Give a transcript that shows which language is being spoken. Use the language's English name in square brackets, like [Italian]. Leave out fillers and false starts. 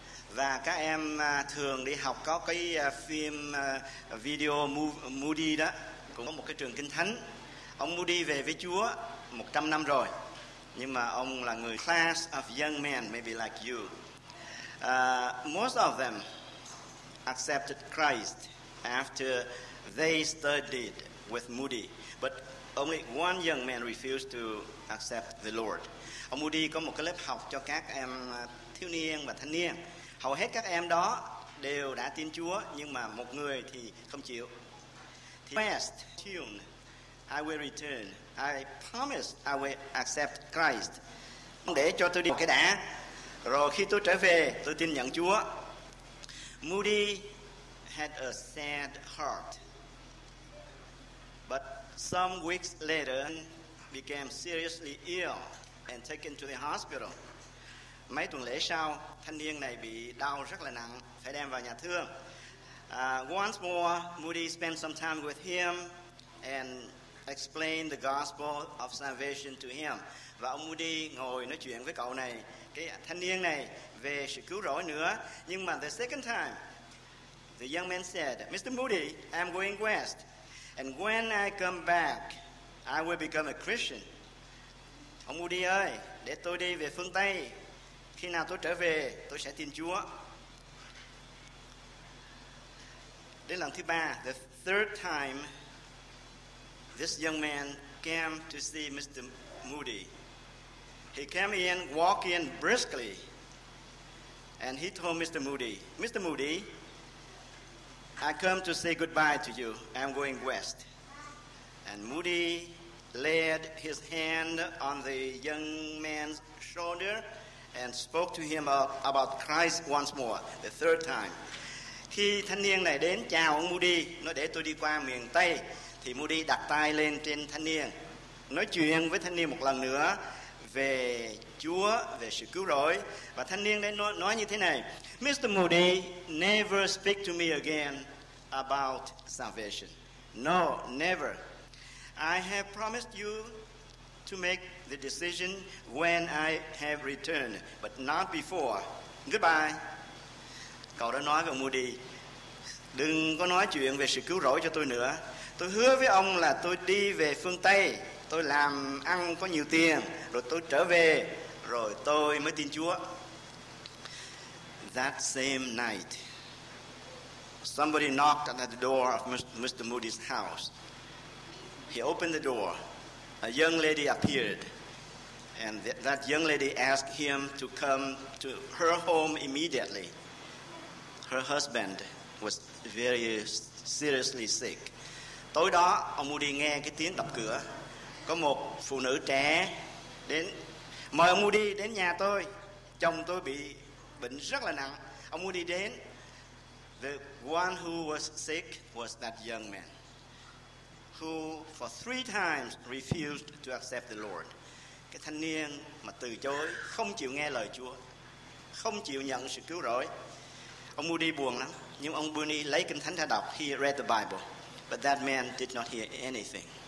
[Vietnamese] Và các em thường đi học có cái phim video Moody đó, cũng có một cái trường kinh thánh. Ông Moody về với Chúa 100 năm rồi, nhưng mà ông là người [English] class of young men, maybe like you. Most of them accepted Christ after they studied with Moody, but only one young man refused to accept the Lord. [Vietnamese] Ông Moody có một cái lớp học cho các em thiếu niên và thanh niên. Hầu hết các em đó đều đã tin Chúa, nhưng mà một người thì không chịu. [English] Fast tune, I will return. I promise I will accept Christ. [Vietnamese] Để cho tôi đi một cái đã, rồi khi tôi trở về, tôi tin nhận Chúa. [English] Moody had a sad heart, but some weeks later became seriously ill and taken to the hospital. [Vietnamese] Mấy tuần lễ sau, thanh niên này bị đau rất là nặng, phải đem vào nhà thương. [English] Once more, Moody spent some time with him and explained the gospel of salvation to him. [Vietnamese] Và ông Moody ngồi nói chuyện với cậu này, cái thanh niên này, về sự cứu rỗi nữa. Nhưng mà [English] the second time, the young man said, Mr. Moody, I'm going west. And when I come back, I will become a Christian. [Vietnamese] Ông Moody ơi, để tôi đi về phương Tây. Khi nào tôi trở về, tôi sẽ tin Chúa. Đến lần thứ ba, [English] the third time, this young man came to see Mr. Moody. He came in, walking briskly, and he told Mr. Moody, Mr. Moody, I come to say goodbye to you. I'm going west. And Moody laid his hand on the young man's shoulder and spoke to him about Christ once more, the third time. [Vietnamese] Khi thanh niên này đến chào ông Moody, nói để tôi đi qua miền Tây, thì Moody đặt tay lên trên thanh niên, nói chuyện với thanh niên một lần nữa về Chúa, về sự cứu rỗi. Và thanh niên đấy nói như thế này, Mr. [English] Moody, never speak to me again about salvation. No, never. I have promised you to make the decision when I have returned, but not before. Goodbye. [Vietnamese] cậu đã nói với ông Moody, đừng có nói chuyện về sự cứu rỗi cho tôi nữa. Tôi hứa với ông là tôi đi về phương Tây, tôi làm ăn có nhiều tiền, rồi tôi trở về, rồi tôi mới tin Chúa. [English] That same night, somebody knocked at the door of Mr. Moody's house. He opened the door. A young lady appeared. And that young lady asked him to come to her home immediately. Her husband was very seriously sick. [Vietnamese] Tối đó, ông Moody nghe cái tiếng đập cửa. Có một phụ nữ trẻ đến, mời ông Moody đến nhà tôi. Chồng tôi bị bệnh rất là nặng. Ông Moody đến. [English] The one who was sick was that young man, who for three times refused to accept the Lord. [Vietnamese] Cái thanh niên mà từ chối, không chịu nghe lời Chúa, không chịu nhận sự cứu rỗi. Ông Moody buồn lắm, nhưng ông Moody lấy kinh thánh ra đọc. [English] He read the Bible, but that man did not hear anything.